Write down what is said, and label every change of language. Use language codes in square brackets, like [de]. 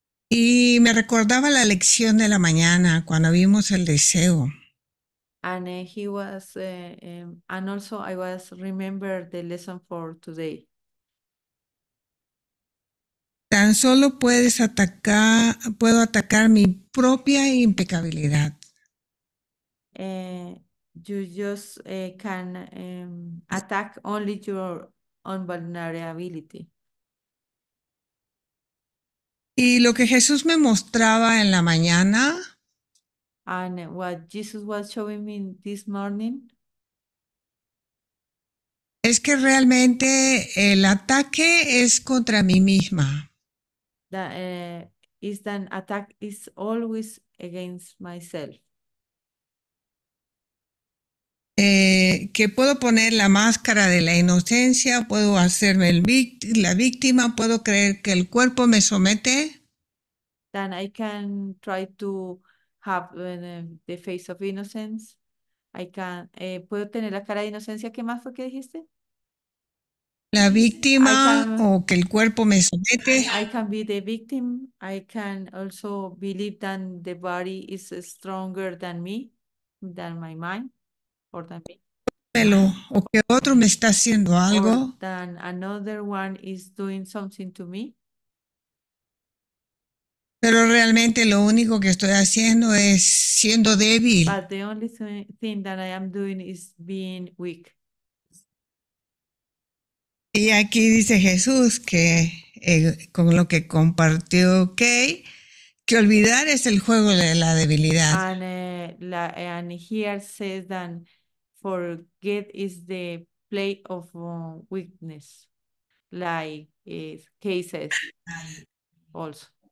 [es] Y me recordaba la lección de la mañana cuando vimos el deseo. [en] And he was and also I was remember the lesson for today. [es] Tan solo puedo atacar mi propia impecabilidad. [en] You just can attack only your own vulnerability. [es] Y lo que Jesús me mostraba en la mañana. [en] And what Jesus was showing me this morning. [es] Es que realmente el ataque es contra mí misma. [en] That attack is always against myself. [es] Que puedo poner la máscara de la inocencia, puedo hacerme la víctima, puedo creer que el cuerpo me somete. [en] Then I can try to have the face of innocence. I can [es] puedo tener la cara de inocencia. ¿Qué más fue que dijiste? La víctima o que el cuerpo me somete. [en] I can be the victim. I can also believe that the body is stronger than me, than my mind, or than me. [es] Pero, o que otro me está haciendo algo. [en] Or that another one is doing something to me. [es] Pero realmente lo único que estoy haciendo es siendo débil. [en] But the only thing that I am doing is being weak. [es] Y aquí dice Jesús que con lo que compartió Kay, que olvidar es el juego de la debilidad. [en] And here says that forget is the play of weakness, like Kay says also.